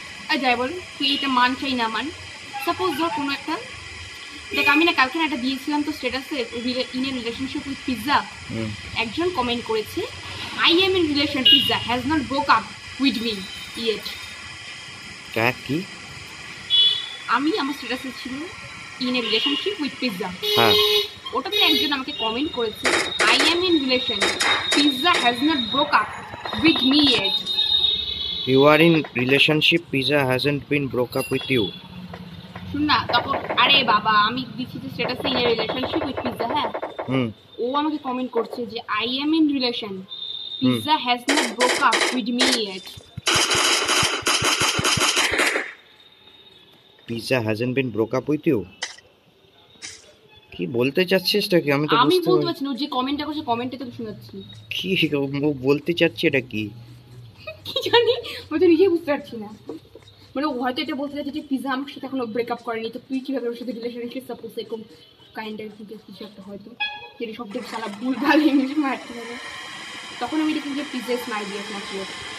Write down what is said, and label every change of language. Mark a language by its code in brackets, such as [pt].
[bn] আর যাই বল, তুই এটা মান চাই না মান, সাপোজ ধর কোনো একটা, দেখ আমি না কালকে একটা দিয়েছিলাম তো স্ট্যাটাসে, ইনের রিলেশনশিপ উইথ পিৎজা, একজন কমেন্ট করেছে [en] I am in relation pizza has not broke up with me yet. [bn] কা কি? আমি আমার স্ট্যাটাসে ছিল [en] in a relationship with pizza. [bn] হ্যাঁ ওটা তো একজন আমাকে কমেন্ট করেছে [en] I am in relation pizza has not broke up with me yet. You are in relationship pizza hasn't been broke up with you. [bn] শুন না তারপর, আরে বাবা আমি দিচ্ছি যে স্ট্যাটাসে [en] in a relationship with pizza, [bn] হ্যাঁ ও আমাকে কমেন্ট করছে যে [en] I am in relation pizza has not broke up with me yet. Pizza hasn't been broke up with you? [bn] কি বলতে চাচ্ছিস এটা কি? আমি তো বুঝতে পারছি না, আমি বলতে পারছি না, যে কমেন্টটা করছে কমেন্টে তো শুনাচ্ছি কি ও বলতে চাচ্ছে এটা কি কি জানি, আমি তো নিজেই বুঝতে পারছি না, মানে ও হয়তো এটা বলতে চাচ্ছে যে পিজা আমার সাথে এখনো ব্রেক আপ করেনি, তো তুই কিভাবে ওর সাথে রিলেশনশিপ সাপোর্ট সেরকম কাইন্ড অফ থিঙ্কিং কিছু একটা, হয়তো যদি সব দেখ সালা ভুলভাল ইংলিশ মারতে হবে, তখন আমি দেখি যে পিজা স্মাইল দিয়ে আপনার চোখ।